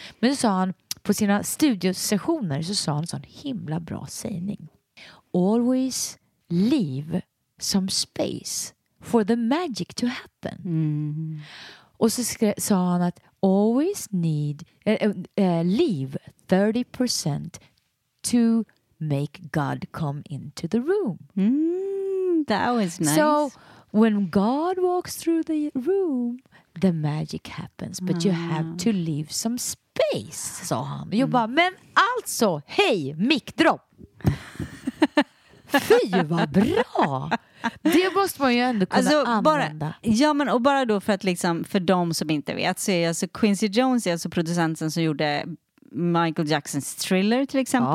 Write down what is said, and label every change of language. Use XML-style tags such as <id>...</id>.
<sv>Men så sa han på sina studiosessioner, så sa han en sån himla bra sägning.</sv> <en>Always leave some space for the magic to happen. Mm.</en> <sv>Och så sa han att</sv> <en>always need leave 30% to make God come into the room. That was nice. So when God walks through the room, the magic happens. But you have to leave some space,</en> <sv>sa han. Jag bara, men alltså, hej, mic drop. Fy, vad bra. Det måste man ju ändå kunna alltså, använda. Bara, ja, men och bara då för att liksom, för dem som inte vet, så är alltså Quincy Jones, är alltså producenten som gjorde Michael Jacksons Thriller till exempel.</sv>